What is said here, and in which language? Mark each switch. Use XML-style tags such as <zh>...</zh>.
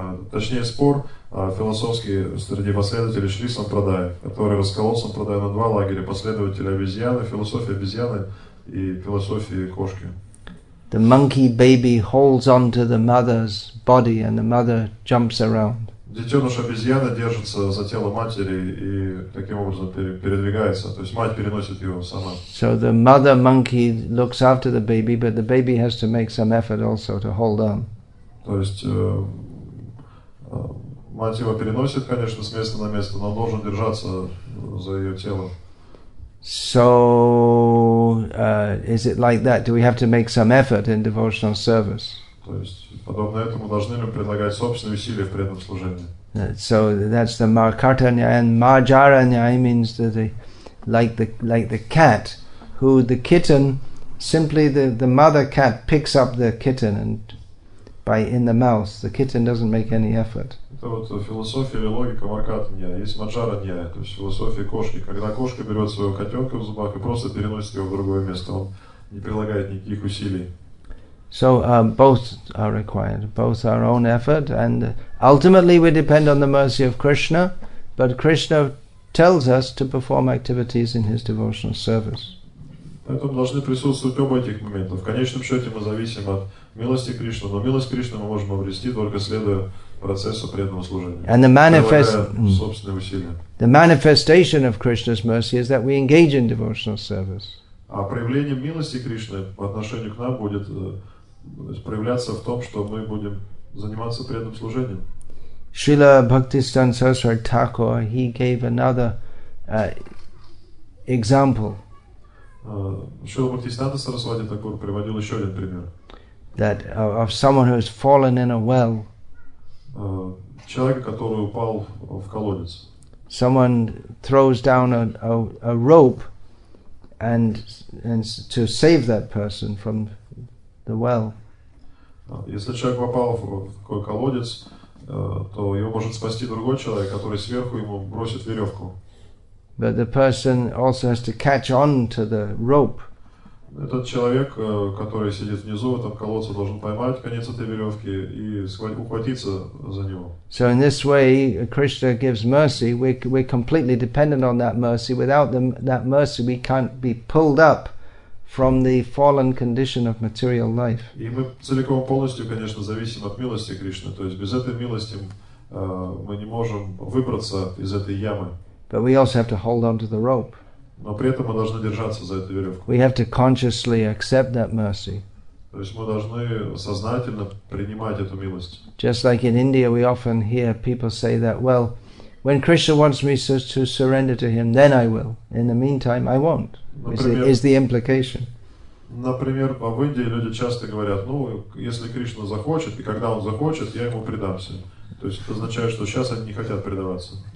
<ru>Точнее, спор философский среди последователей Шри Сампрадая, который расколол Сампрадая на два лагеря, последователи обезьяны, философии обезьяны и философии кошки.</ru> <en>The monkey baby holds on to the mother's body and the mother jumps around.</en> <ru>Детеныш обезьяны держится за тело матери и таким образом передвигается, то есть мать переносит его сама.</ru> <en>So the mother monkey looks after the baby, but the baby has to make some effort also to hold on.</en> <ru>То есть мать его переносит, конечно, с места на место, но должен держаться за ее тело.</ru> <en>So, is it like that? Do we have to make some effort in devotional service?</en> <ru>То есть, подобно этому, должны ли мы предлагать собственные усилия в преданном служении?</ru> <en>So, that's the Markartanyai, and Marjaranyai means that they, like the cat, who the kitten, simply the mother cat picks up the kitten and by in the mouth, the kitten doesn't make any effort.</en> <ru>Это вот философия или логика Маркартанья. Есть Маджаранья, то есть философия кошки. Когда кошка берет своего котенка в зубах и просто переносит его в другое место, он не прилагает никаких усилий.</ru> <en>So both are required, both our own effort, and ultimately we depend on the mercy of Krishna, but Krishna tells us to perform activities in his devotional service.</en> <ru>Поэтому должны присутствовать оба этих момента. В конечном счете мы зависим от милости Кришны, но милость Кришны мы можем обрести только следуя процессу преданного служения.</ru> <en>And the</en> <ru>собственные усилия.</ru> <en>The manifestation of Krishna's mercy is that we engage in devotional service.</en> <ru>А проявление милости Кришны по отношению к нам будет проявляться в том, что мы будем заниматься преданным служением.</ru> <en>Srila Bhaktisiddhanta Saraswati Thakur, he gave another example.</en> <ru>Srila Bhaktisiddhanta Saraswati Thakur приводил еще один пример.</ru> <en>That of someone who has fallen in a well.</en> <ru>Человека, который упал в колодец.</ru> <en>Someone throws down a rope and to save that person from the well.</en> <ru>Если человек попал в такой колодец, то его может спасти другой человек, который сверху ему бросит веревку.</ru> <en>But the person also has to catch on to the rope.</en> <ru>Этот человек, который сидит внизу в этом колодце, должен поймать конец этой веревки и ухватиться за него.</ru> <en>So in this way, Krishna gives mercy. We're completely dependent on that mercy. Without that mercy, we can't be pulled up from the fallen condition of material life.</en> <ru>И мы целиком полностью, конечно, зависим от милости Кришны. То есть без этой милости мы не можем выбраться из этой ямы.</ru> <en>But we also have to hold on to the rope.</en> <ru>Но при этом мы должны держаться за эту веревку.</ru> <en>We have to consciously accept that mercy.</en> <ru>То есть мы должны сознательно принимать эту милость.</ru> <en>Just like in India, we often hear people say that, well, when Krishna wants me to surrender to him, then I will. In the meantime, I won't. Is the implication.</en> <ru>Например, в Индии люди часто говорят, ну, если Кришна захочет, и когда он захочет, я ему предамся. То есть это означает, что сейчас они не хотят предаваться.</ru>